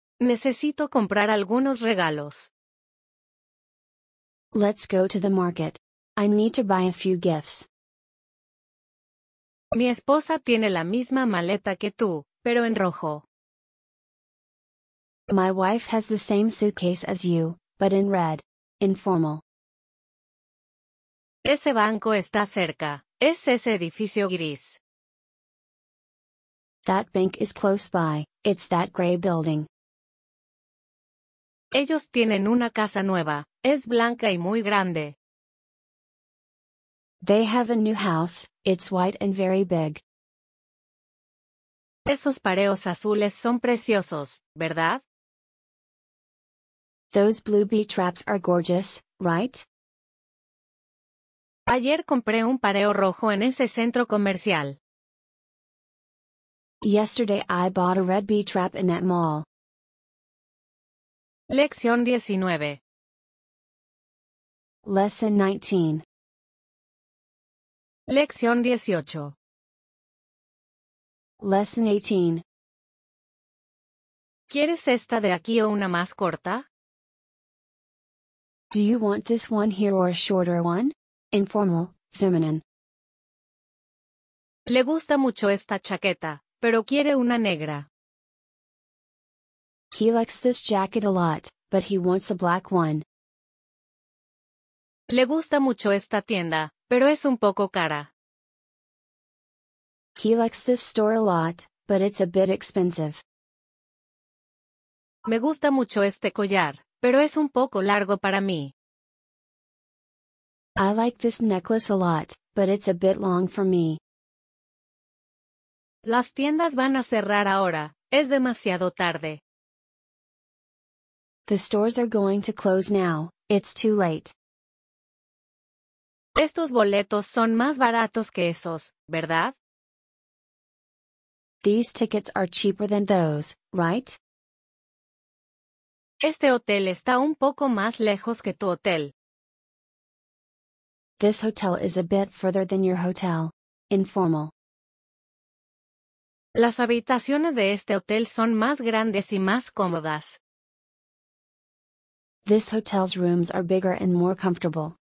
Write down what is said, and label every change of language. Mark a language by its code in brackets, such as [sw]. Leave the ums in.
[es] Necesito comprar algunos regalos. [en] Let's go to the market. I need to buy a few gifts. [es] Mi esposa tiene la misma maleta que tú, pero en rojo. [en] My wife has the same suitcase as you, but in red. Informal. [es] Ese banco está cerca. Es ese edificio gris. [en] That bank is close by. It's that gray building. [es] Ellos tienen una casa nueva. Es blanca y muy grande. [en] They have a new house. It's white and very big. [es] Esos pareos azules son preciosos, ¿verdad? [en] Those blue bee traps are gorgeous, right? [es] Ayer compré un pareo rojo en ese centro comercial. [en] Yesterday I bought a red bee trap in that mall. [es] Lección 19 [en] Lesson 19 [es] Lección 18 [en] Lesson 18 [es] ¿Quieres esta de aquí o una más corta? [en] Do you want this one here or a shorter one? Informal, feminine. [es] Le gusta mucho esta chaqueta, pero quiere una negra. [en] He likes this jacket a lot, but he wants a black one. [es] Le gusta mucho esta tienda, pero es un poco cara. [en] He likes this store a lot, but it's a bit expensive. [es] Me gusta mucho este collar, pero es un poco largo para mí. [en] I like this necklace a lot, but it's a bit long for me. [es] Las tiendas van a cerrar ahora, es demasiado tarde. [en] The stores are going to close now, it's too late. [es] Estos boletos son más baratos que esos, ¿verdad? [en] These tickets are cheaper than those, right? [es] Este hotel está un poco más lejos que tu hotel. [en] This hotel is a bit further than your hotel. Informal. [es] Las habitaciones de este hotel son más grandes y más cómodas. [en] This hotel's rooms are bigger and more comfortable.